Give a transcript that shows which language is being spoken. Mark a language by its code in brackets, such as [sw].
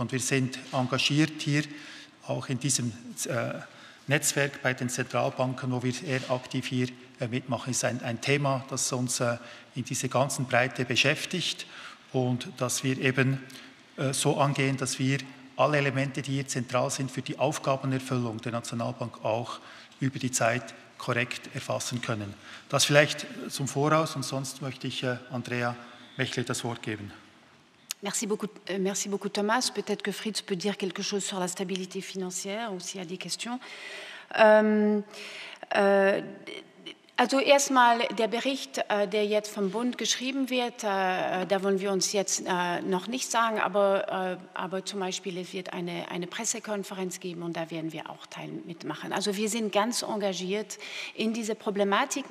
[de] Und wir sind engagiert hier auch in diesem Netzwerk bei den Zentralbanken, wo wir eher aktiv hier mitmachen. Das ist ein Thema, das uns in dieser ganzen Breite beschäftigt und das wir eben so angehen, dass wir alle Elemente, die hier zentral sind für die Aufgabenerfüllung der Nationalbank, auch über die Zeit korrekt erfassen können. Das vielleicht zum Voraus und sonst möchte ich Andrea Mechle das Wort geben. [fr] Merci beaucoup, Thomas. Peut-être que Fritz peut dire quelque chose sur la stabilité financière, ou s'il y a des questions. [de] Also erstmal der Bericht, der jetzt vom Bund geschrieben wird, da wollen wir uns jetzt noch nicht sagen, aber zum Beispiel es wird eine Pressekonferenz geben und da werden wir auch Teil mitmachen. Also wir sind ganz engagiert in diese Problematik.